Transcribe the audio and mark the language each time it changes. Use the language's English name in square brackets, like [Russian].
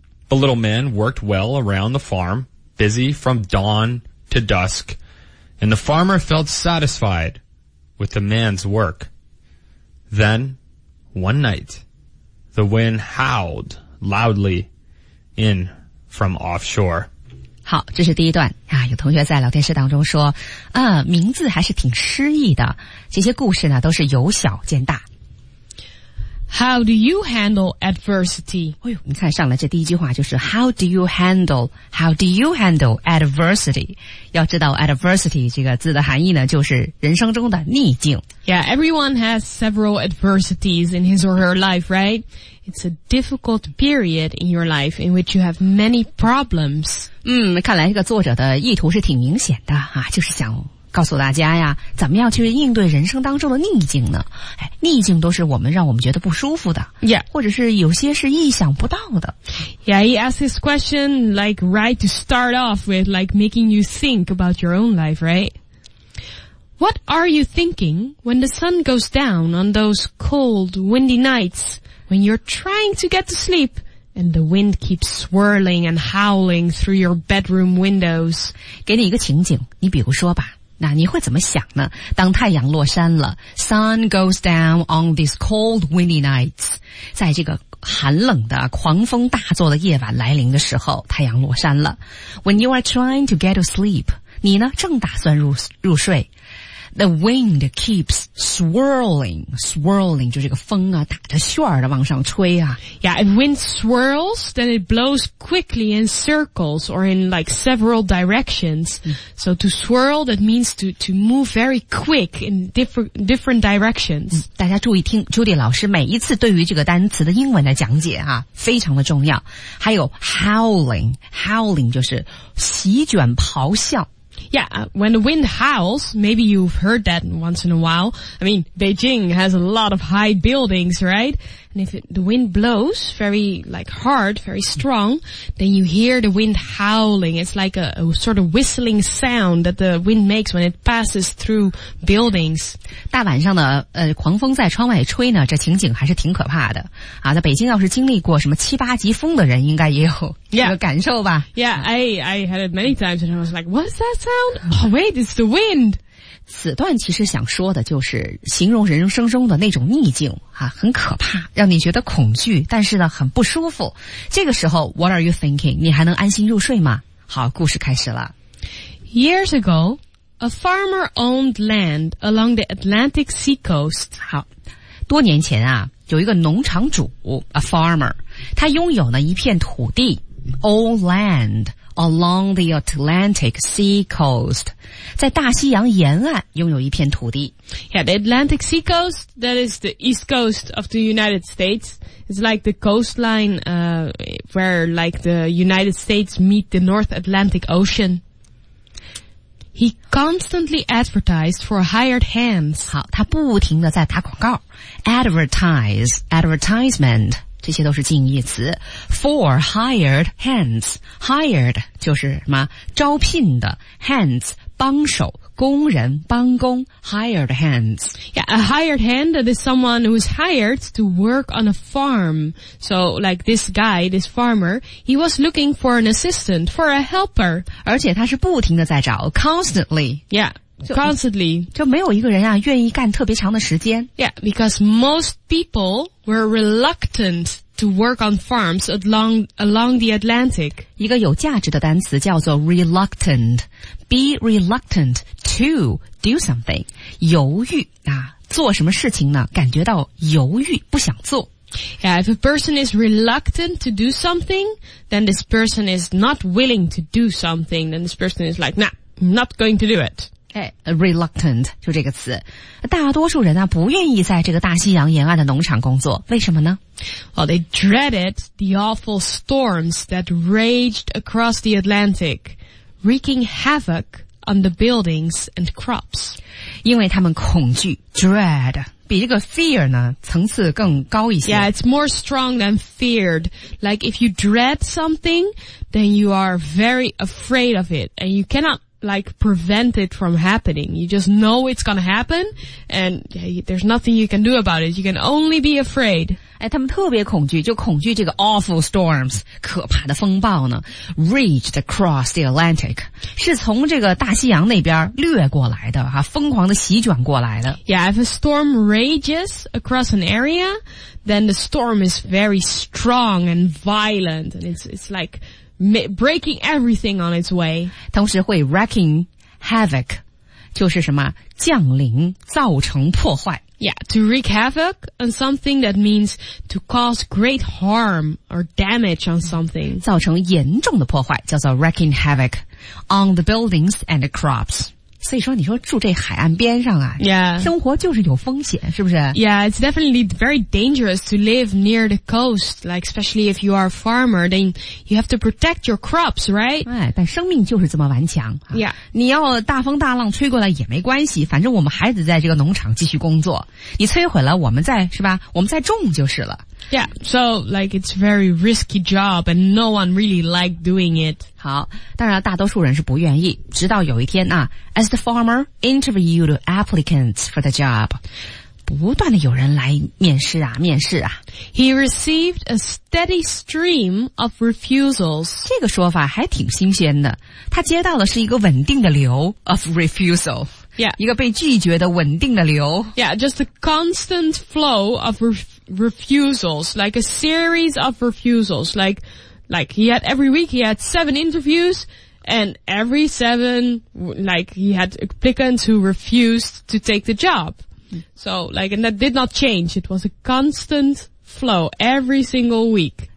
[English] The little man worked well around the farm, busy from dawn to dusk, and the farmer felt satisfied with the man's work. Then, one night, the wind howled loudly in. From offshore. [Chinese] 好，这是第一段啊。有同学在聊天室当中说，名字还是挺诗意的。这些故事呢，都是由小见大。 [English] How do you handle adversity? [Chinese] 哎呦，你看上来这第一句话就是 [English] How do you handle? How do you handle adversity? [Chinese] 要知道 adversity 这个字的含义呢，就是人生中的逆境。 [English] Yeah, everyone has several adversities in his or her life, right? It's a difficult period in your life in which you have many problems. [Chinese] 嗯，看来这个作者的意图是挺明显的啊，就是想告诉大家呀，怎么样去应对人生当中的逆境呢？哎，逆境都是我们让我们觉得不舒服的 [English] ，Yeah， [Chinese] 或者是有些是意想不到的。 [English] Yeah, he asked this question like right to start off with, like making you think about your own life, right? What are you thinking when the sun goes down on those cold, windy nights when you're trying to get to sleep and the wind keeps swirling and howling through your bedroom windows? [Chinese] 给你一个情景，你比如说吧。那你会怎么想呢？当太阳落山了 ， [English] Sun goes down on these cold, windy nights， [Chinese] 在这个寒冷的、狂风大作的夜晚来临的时候，太阳落山了。 [English] When you are trying to get to sleep， [Chinese] 你呢正打算入睡 ， [English] The wind keeps swirling， [Chinese] 就这个风啊，打着旋儿的往上吹啊。 [English] Yeah, if wind swirls, then it blows quickly in circles or in like several directions. So to swirl, that means to move very quick in different directions. [Chinese] 大家注意听 ，Judy 老师每一次对于这个单词的英文的讲解啊，非常的重要。还有 howling 就是席卷咆哮。 [English] Yeah, when the wind howls, maybe you've heard that once in a while. I mean, Beijing has a lot of high buildings, right? And if the wind blows very, like, hard, very strong, then you hear the wind howling. It's like a sort of whistling sound that the wind makes when it passes through buildings. [Chinese] 大晚上的狂风在窗外吹呢，这情景还是挺可怕的。啊，那北京要是经历过什么七八级风的人，应该也有这个感受吧。 [English] Yeah, I had it many times and I was like, what's that? Oh, wait, it's the wind. [Chinese] 此段其实想说的就是形容人生中的那种逆境啊，很可怕，让你觉得恐惧，但是呢很不舒服。这个时候 [English] ,what are you thinking? [Chinese] 你还能安心入睡吗？好，故事开始了。 [English] Years ago, a farmer owned land along the Atlantic seacoast. [Chinese] 好，多年前啊，有一个农场主 , [English] a farmer, [Chinese] 他拥有呢一片土地 , [English] old land, Along the Atlantic Sea Coast. [Chinese] 在大西洋沿岸拥有一片土地。 [English] Yeah, the Atlantic Sea Coast, that is the east coast of the United States. It's like the coastline, where like the United States meet the North Atlantic Ocean. He constantly advertised for hired hands. [Chinese] 好，他不停地在打广告。Advertise, advertisement. 这些都是近义词 , [English] for hired hands, [Chinese] hired 就是什么招聘的 ,hands, 帮手工人帮工 , [English] hired hands. Yeah, a hired hand, that is someone who is hired to work on a farm. So, like this guy, this farmer, he was looking for an assistant, for a helper. 而且他是不停地在找 ,constantly. Yeah. Constantly. [Chinese] 就没有一个人啊愿意干特别长的时间。 [English] Yeah, because most people were reluctant to work on farms along the Atlantic. [Chinese] 一个有价值的单词叫做 reluctant. [English] Be reluctant to do something. [Chinese] 犹豫啊，做什么事情呢？感觉到犹豫，不想做。 [English] Yeah, if a person is reluctant to do something, then this person is not willing to do something. Then this person is like, nah, not going to do it. [Chinese] Reluctant, 就这个词。大多数人啊不愿意在这个大西洋沿岸的农场工作。为什么呢？ [English] Well, they dreaded the awful storms that raged across the Atlantic, wreaking havoc on the buildings and crops. [Chinese] 因为他们恐惧 ,dread, 比这个 fear 呢层次更高一些。 [English] Yeah, it's more strong than feared. Like, if you dread something, then you are very afraid of it, and you cannot,like prevent it from happening. You just know it's gonna happen and there's nothing you can do about it. You can only be afraid. [Chinese] 哎，他们特别恐惧，就恐惧这个 [English] awful storms, [Chinese] 可怕的风暴呢 [English] reached across the Atlantic, [Chinese] 是从这个大西洋那边掠过来的啊，疯狂的席卷过来的。 [English] Yeah, if a storm rages across an area, then the storm is very strong and violent and it's like... breaking everything on its way. [Chinese] 同时会 [English] wrecking havoc, [Chinese] 就是什么降临造成破坏。 [English] Yeah, to wreak havoc on something, that means to cause great harm or damage on something. [Chinese] 造成严重的破坏叫做 [English] wreaking havoc on the buildings and the crops. [Chinese] 所以说你说住这海岸边上啊、 [English] yeah. [Chinese] 生活就是有风险是不是 [English] Yeah, it's definitely very dangerous to live near the coast, like especially if you are a farmer, then you have to protect your crops, right? [Chinese] 哎，但生命就是这么顽强、啊、 [English] Yeah, [Chinese] 你要大风大浪吹过来也没关系，反正我们还得在这个农场继续工作，你摧毁了我们再是吧，我们再种就是了。 [English] Yeah, so like it's a very risky job and no one really liked doing it. [Chinese] 好，当然大多数人是不愿意，直到有一天啊， [English] as the farmer interviewed applicants for the job. [Chinese] 不断的有人来面试啊，面试啊。 [English] He received a steady stream of refusals. [Chinese] 这个说法还挺新鲜的。他接到的是一个稳定的流 [English] of refusal. Yeah. [Chinese] 一个被拒绝的稳定的流。 [English] Yeah, just a constant flow of refusals, like a series of refusals. Like he had every week, he had 7 interviews,And every 7, like, he had applicants who refused to take the job. So, like, and that did not change. It was a constant flow every single week.